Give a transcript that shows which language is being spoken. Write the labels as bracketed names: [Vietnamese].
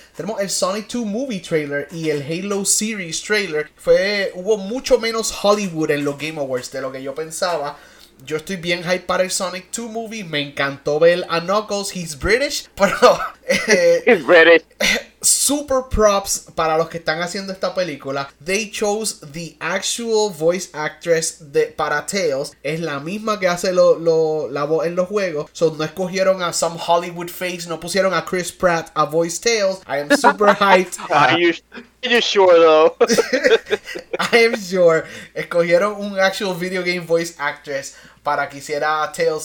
[Spanish] Tenemos el Sonic 2 Movie trailer y el Halo Series trailer. Hubo mucho menos Hollywood en los Game Awards de lo que yo pensaba. Yo estoy bien hype para el Sonic 2 movie. Me encantó ver a Knuckles. [English] He's British. He's British. [Spanish] Super props para los que están haciendo esta película. [English] They chose the actual voice actress para Tails. [Spanish] Es la misma que hace la voz en los juegos. So no escogieron a [English] some Hollywood face. [Spanish] No pusieron a Chris Pratt [English] a voice Tails. I am super hyped. Are you sure though? I am sure. [Spanish] Escogieron un [English] actual video game voice actress [Spanish] para que hiciera Tails.